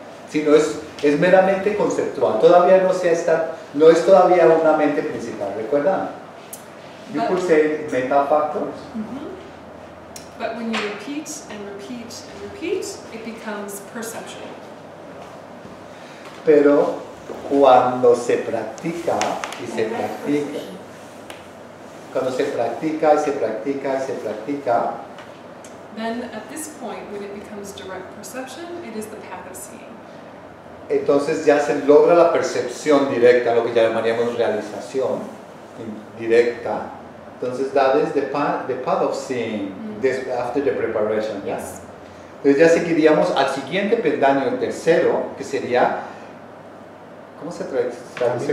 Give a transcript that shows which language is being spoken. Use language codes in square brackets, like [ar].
[es] Sino es meramente conceptual. Todavía no es todavía una mente principal, ¿recuerdan? [en] You could say meta factors. Mm-hmm. But when you repeat and repeat and repeat, it becomes perceptual. [es] Pero cuando se practica y se practica, cuando se practica y se practica y se practica, [en] then at this point, when it becomes direct perception, it is the path of seeing. [es] Entonces ya se logra la percepción directa, lo que ya llamaríamos realización directa. Entonces [en] that is the path of seeing, this, after the preparation. Yeah. Yes. [es] Entonces ya seguiríamos al siguiente peldaño, el tercero, que sería, ¿cómo se traduce?